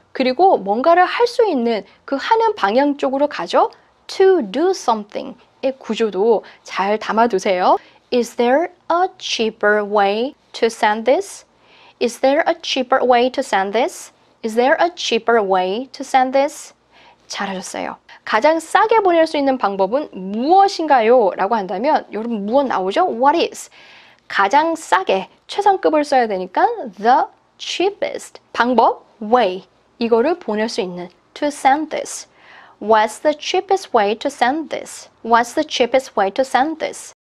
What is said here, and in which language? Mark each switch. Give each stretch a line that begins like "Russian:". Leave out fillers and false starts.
Korean: 그리고 뭔가를 할수 있는 그 하는 방향 쪽으로 가죠.
English: to do something
Korean: 의 구조도 잘 담아 두세요.
English: is there a cheaper way to send this? is there a cheaper way to send this? Is there a cheaper way to send this?
Korean: 잘하셨어요. 가장 싸게 보낼 수 있는 방법은 무엇인가요? 라고 한다면, 여러분, 무엇 나오죠?
English: What is?
Korean: 가장 싸게, 최상급을 써야 되니까,
English: the cheapest.
Korean: 방법, way. 이거를 보낼 수 있는,
English: to send this. What's the cheapest way to send this? What's the cheapest way to send this?